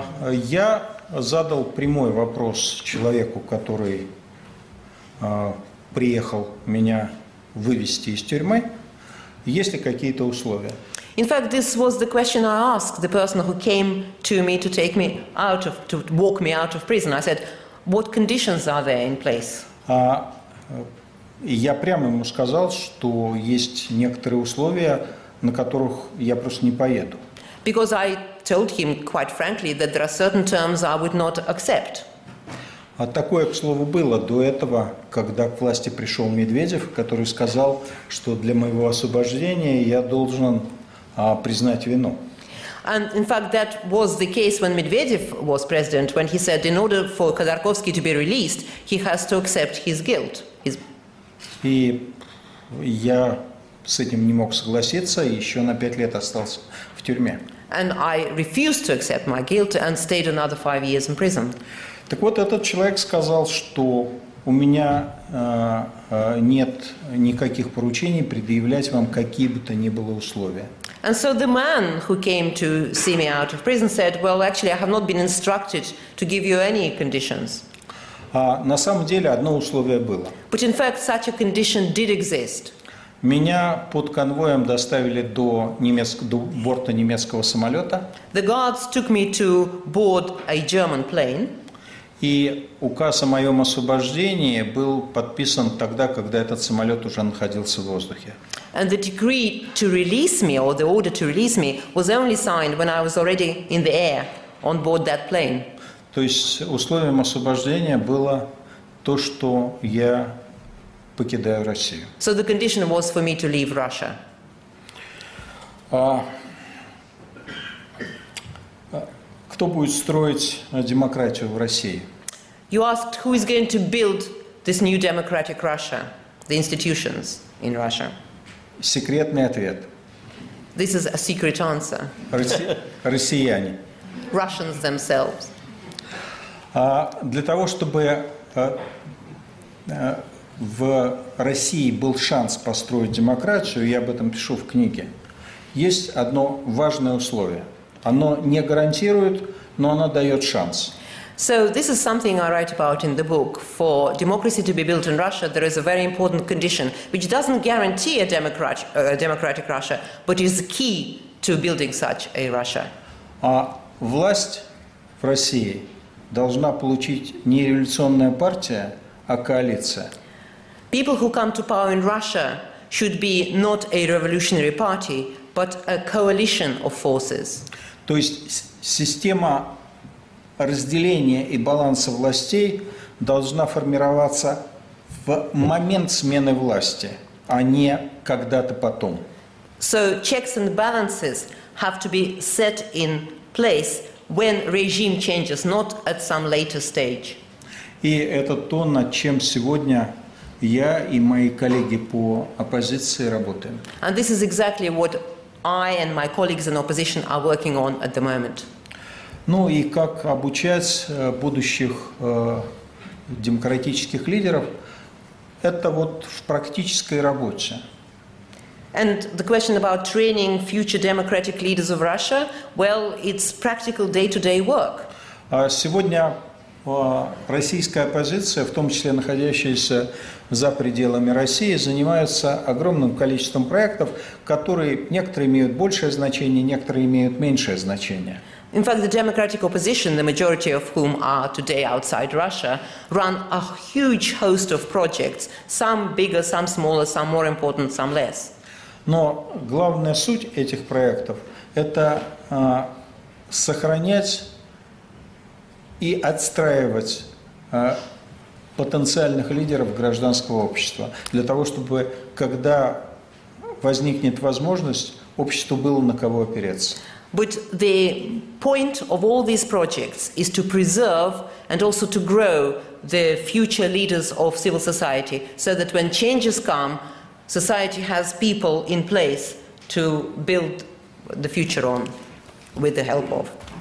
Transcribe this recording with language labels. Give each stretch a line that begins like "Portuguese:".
Russian: Я задал прямой вопрос человеку, который приехал меня вывести из тюрьмы. Есть ли какие-то условия?
English: In fact, this was the question I asked the person who came to me to take me out of, to walk me out of prison. I said, what conditions are there in place?
Russian: Я прямо ему сказал, что есть некоторые условия, на которых я просто не поеду.
English: Because I told him quite frankly that there are certain terms I would not accept.
Russian: А такое, к слову, было до этого, когда к власти пришел Медведев, который сказал, что для моего освобождения я должен признать вину.
English: And in fact, that was the case when Medvedev was president, when he said, in order for Khodorkovsky to be released, he has to accept his guilt. His...
Russian: И я с этим не мог согласиться, и еще на 5 лет остался в тюрьме.
English: And I refused to accept my guilt and stayed another 5 years in prison.
Russian: Так вот, этот человек сказал, что у меня нет никаких поручений предъявлять вам какие бы то ни было условия.
English: And so the man who came to see me out of prison said, well, actually, I have not been instructed to give you any conditions.
Russian: На самом деле одно условие было.
English: But in fact, such a condition did exist.
Russian: Меня под конвоем доставили до борта немецкого самолета.
English: The guards took me to board a German plane.
Russian: И указ о моем освобождении был подписан тогда, когда этот самолет уже находился в воздухе.
English: And the decree to release me, or the order to release me, was only signed when I was already in the air on board that plane.
Russian: То есть условием освобождения было то, что я покидаю Россию.
English: So the condition was for me to leave Russia.
Russian: Кто будет строить демократию в России?
English: You asked who is going to build this new democratic Russia, the institutions in Russia.
Russian: Секретный ответ.
English: This is a secret answer.
Russian: Россияне.
English: Russians themselves.
Russian: Для того, чтобы в России был шанс построить демократию, я об этом пишу в книге, есть одно важное условие. Оно не гарантирует, но оно дает шанс.
English: So this is something I write about in the book. For democracy to be built in Russia, there is a very important condition, which doesn't guarantee a democratic Russia, but is key to building such a Russia.
Russian: Власть в России должна получить не революционная партия, а коалиция.
English: People who come to power in Russia should be not a revolutionary party, but a coalition of forces.
Russian: То есть система разделение и баланса властей должна формироваться в момент смены власти, а не когда-то потом.
English: So checks and balances have to be set in place when regime changes, not at some later stage.
Russian: И это то, над чем сегодня я и мои коллеги по оппозиции работаем.
English: And this is exactly what I and my colleagues in opposition are working on at the moment.
Russian: Ну и как обучать будущих демократических лидеров, это вот в практической работе.
English: And the question about training future democratic leaders of Russia, well, it's practical day-to-day work.
Russian: Сегодня российская оппозиция, в том числе находящаяся за пределами России, занимается огромным количеством проектов, которые некоторые имеют большее значение, некоторые имеют меньшее значение.
English: In fact, the democratic opposition, the majority of whom are today outside Russia, run a huge host of projects, some bigger, some smaller, some more important, some less.
Russian: Но главная суть этих проектов – это сохранять и отстраивать потенциальных лидеров гражданского общества, для того, чтобы, когда возникнет возможность, общество было на кого опереться.
English: But the point of all these projects is to preserve and also to grow the future leaders of civil society so that when changes come, society has people in place to build the future on with the help of.